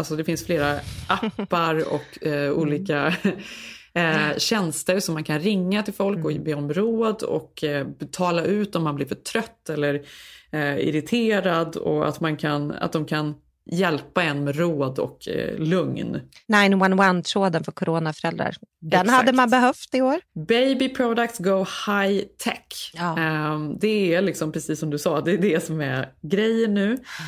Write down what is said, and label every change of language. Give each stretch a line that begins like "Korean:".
Swedish: Alltså det finns flera appar och olika tjänster som man kan ringa till folk och be om råd och betala ut om man blir för trött eller irriterad. Och att man kan, att de kan hjälpa en med råd och lugn. 911-tråden för coronaföräldrar. Den Exakt. Hade man behövt i år.
English: Baby products go high tech.
Swedish: Ja. Det är liksom precis som du sa, det är det som är grejen nu. Mm.